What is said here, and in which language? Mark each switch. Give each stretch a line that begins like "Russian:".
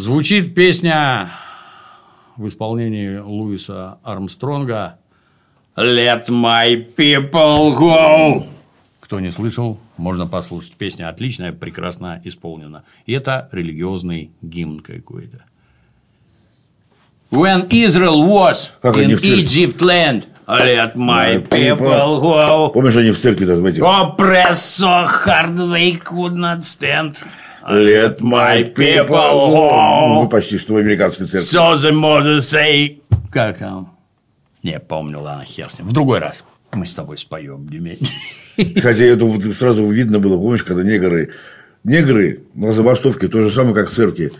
Russian: Звучит песня в исполнении Луиса Армстронга «Let my people go». Кто не слышал, можно послушать. Песня отличная, прекрасно исполнена. И это религиозный гимн какой-то.
English: When Israel was in Egypt land, let my people go.
Russian: Помнишь, они в церкви там эти?
English: Oppressed so hard they could not stand. Let my people go.
Russian: Мы почти что в американской церкви.
English: So the mother say.
Russian: Как там? Не помню, ладно, хер с ним. В другой раз мы с тобой споем, Дементий. Хотя это вот сразу видно было, помнишь, когда негры... Негры на забастовке, то же самое, как в церкви.